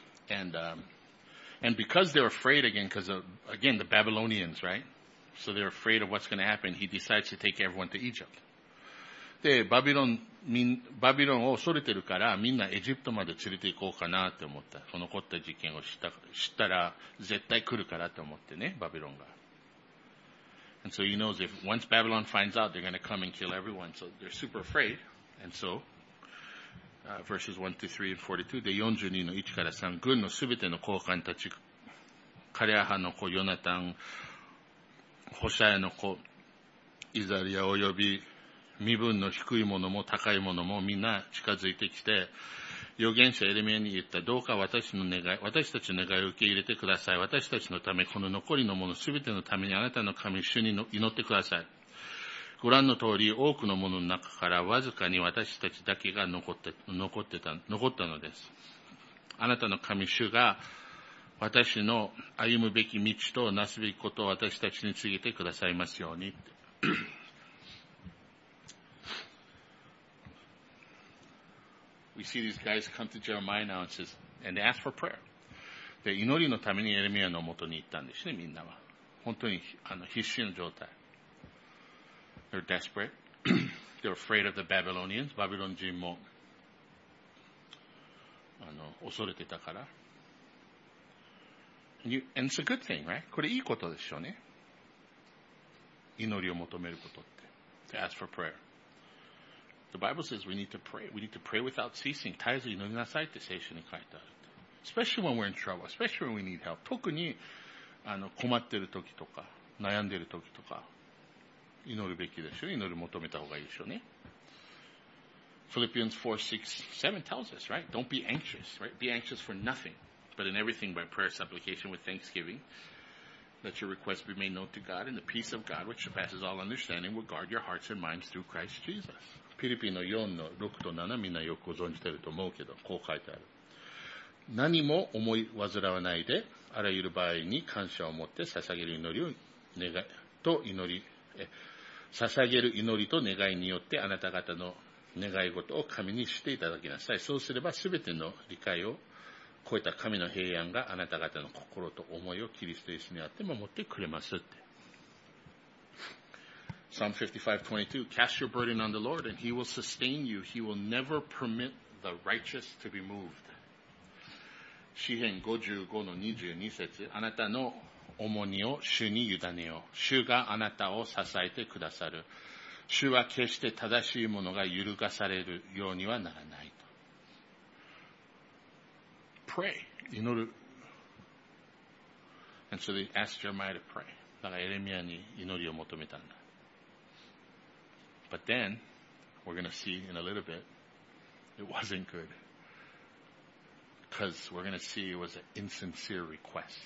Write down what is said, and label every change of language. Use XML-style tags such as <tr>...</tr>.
<en>And because they're afraid again, because the Babylonians, right? So they're afraid of what's going to happen. He decides to take everyone to Egypt.</en> <ja>で、バビロンを恐れてるから、みんなエジプトまで連れて行こうかなって思った。その起こった事件を知ったら、絶対来るからって思ってね、バビロンが。</ja> <en>And so he knows if once Babylon finds out, they're going to come and kill everyone. So they're super afraid. And so,verses 1 to 3 and 42,</en> <ja>で42の1から3、軍のすべての高官たち、カレアハの子ヨナタン、ホシャエの子イザリア及び身分の低い者も高い者もみんな近づいてきて、預言者エレミアに言った、どうか私たちの願いを受け入れてください。私たちのため、この残りの者すべてのためにあなたの神、主に祈ってください。ご覧の通り、多くの者の中からわずかに私たちだけが残ったのです。あなたの神主が私の歩むべき道となすべきことを私たちに告げてくださいますように。</ja> <en>We see these guys come to Jeremiah now and says, and they ask for prayer.</en> <ja>で、祈りのためにエレミアの元に行ったんですね、みんなは。本当に必死の状態。</ja> <en>They're desperate. They're afraid of the Babylonians.</en> <ja>バビロン人も、恐れてたから。</ja> <en>And it's a good thing, right?</en> <ja>これいいことでしょうね。祈りを求めることって。</ja> <en>To ask for prayer. The Bible says we need to pray. We need to pray without ceasing.</en> <ja>絶えず祈りなさいって聖書に書いてある。</ja> <en>Especially when we're in trouble. Especially when we need help.</en> <ja>特に、困ってる時とか、悩んでる時とか。祈るべきでしょ。祈る求めた方がいいでしょうね。</ja> <en>Philippians 4, 6, 7 tells us, right? Don't be anxious, right? Be anxious for nothing, but in everything by prayer, supplication with thanksgiving, let your requests be made known to God, and the peace of God, which surpasses all understanding, will guard your hearts and minds through Christ Jesus.</en> <ja>フィリピンの4の6と7、みんなよくご存じてると思うけど、こう書いてある。何も思い煩わないで、あらゆる場合に感謝を持って捧げる祈りを願いと祈り、捧げる祈りと願いによってあなた方の願い事を神にしていただきなさい。そうすればすべての理解を超えた神の平安があなた方の心と思いをキリストイエスにあって守ってくれますって。</ja> <en>Psalm 55:22, cast your burden on the Lord and he will sustain you. He will never permit the righteous to be moved.</en> <ja>詩編55の22節、あなたの重荷を主に委ねよ。主があなたを支えてくださる。主は決して正しいものが揺るがされるようにはならないと。</ja> <en>Pray.</en> <ja>祈る。</ja> <en>And so they asked Jeremiah to pray.</en> <ja>だからエレミアに祈りを求めたんだ。</ja> <en>But then, we're going to see in a little bit, it wasn't good. Because we're going to see it was an insincere request.</en>